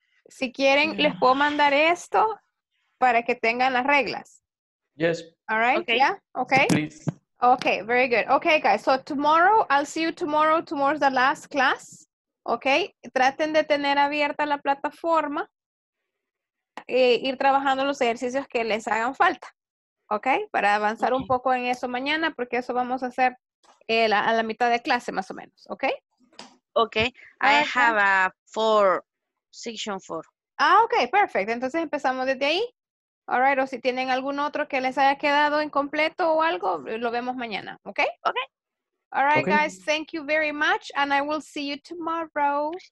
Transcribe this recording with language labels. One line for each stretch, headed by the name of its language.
Spanish: Si quieren, les puedo mandar esto para que tengan las reglas.
English: Yes. All right. Okay. Yeah. Okay. Please. Okay, very good. Okay, guys, so tomorrow, I'll see you tomorrow. Tomorrow's the last class, okay?
Spanish: Traten de tener abierta la plataforma e ir trabajando los ejercicios que les hagan falta, okay? Para avanzar okay. Un poco en eso mañana, porque eso vamos a hacer a la mitad de clase, más o menos, okay?
English: Okay, I have a section four.
Spanish: Ah, okay, perfect. Entonces empezamos desde ahí. All right, o si tienen algún otro que les haya quedado incompleto o algo, lo vemos mañana, ¿okay?
English: Okay. All right, okay. Guys, thank you very much, and I will see you tomorrow.